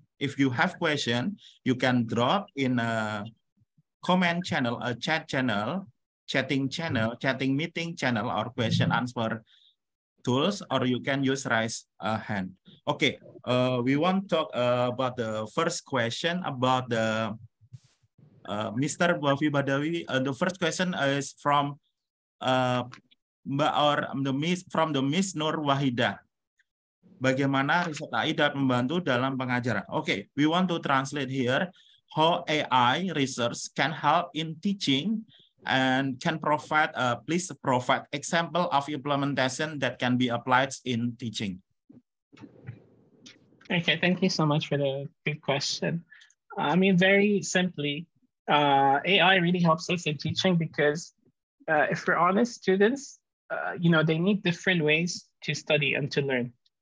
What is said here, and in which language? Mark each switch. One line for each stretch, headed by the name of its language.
English: If you have question, you can drop in a comment channel, a chat channel, chatting channel, chatting meeting channel, or question answer tools, or you can use raise a hand. Okay, we want to talk about the first question about the Mr. Wafi Badawi, the first question is from Miss Nur Wahida.
Indonesian: Bagaimana riset AI dapat membantu dalam pengajaran?
English: Okay, we want to translate here how AI research can help in teaching and can provide, please provide example of implementation that can be applied in teaching. Okay, thank you so much for the good question. I mean, very simply, AI really helps us in teaching because if we're honest, students, you know, they need different ways to study and to learn.